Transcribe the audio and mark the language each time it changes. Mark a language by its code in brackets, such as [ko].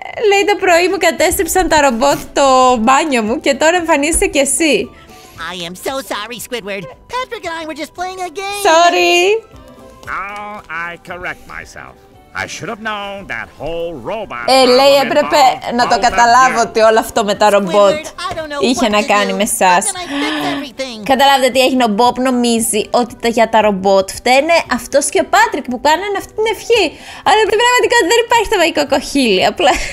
[el] Λέει το πρωί μου κατέστρεψαν τα ρομπότ το μπάνιο μου και τώρα εμφανίζεσαι κι εσύ. [en] I am so sorry, Squidward. Patrick and I were just playing a game. Sorry. Now I correct myself. I should have known that whole robot. [el] Λέει έπρεπε να το καταλάβω ότι όλο αυτό με τα ρομπότ είχε να κάνει με εσάς. Καταλάβετε τι έγινε, ο Μπομπ νομίζει ότι τα για τα ρομπότ φταίνε αυτός και ο Πάτρικ που κάνανε αυτή την ευχή. Αλλά την πραγματικότητα δεν υπάρχει το μαγικό κοχύλι, απλά.